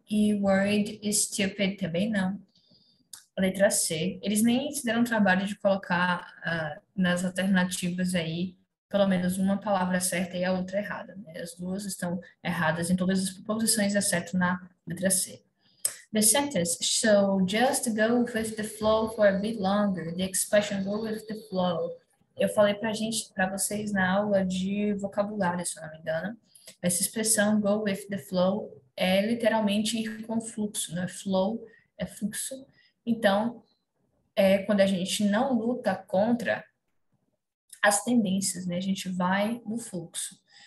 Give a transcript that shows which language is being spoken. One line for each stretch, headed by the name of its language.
Portuguese: E worried e stupid também não. A letra C. Eles nem se deram trabalho de colocar nas alternativas aí pelo menos uma palavra certa e a outra errada. Né? As duas estão erradas em todas as proposições, exceto na letra C.
English: The sentence, so just go with the flow for a bit longer. The expression, go with the flow.
Portuguese: Eu falei pra vocês na aula de vocabulário, se não me engano. Essa expressão, go with the flow, é literalmente ir com fluxo, né? Flow é fluxo. Então, é quando a gente não luta contra as tendências, né? A gente vai no fluxo.